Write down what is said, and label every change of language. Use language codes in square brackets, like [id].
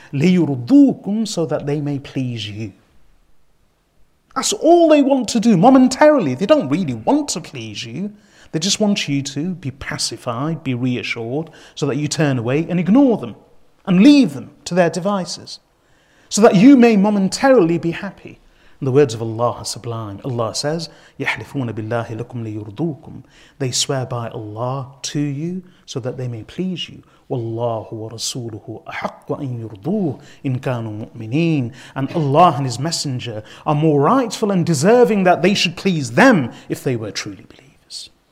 [en] لِيُرْضُوكُمْ, so that they may please you. That's all they want to do momentarily. They don't really want to please you. They just want you to be pacified, be reassured, so that you turn away and ignore them and leave them to their devices, so that you may momentarily be happy. And the words of Allah are sublime. Allah says, [ar] يَحْلِفُونَ بِاللَّهِ لَكُمْ لِيُرْضُوكُمْ. [en] They swear by Allah to you so that they may please you. [ar] وَاللَّهُ وَرَسُولُهُ أَحَقُّ أَن يُرْضُوهُ إِن كَانُوا مُؤْمِنِينَ. [en] And Allah and His Messenger are more rightful and deserving that they should please them if they were truly believers.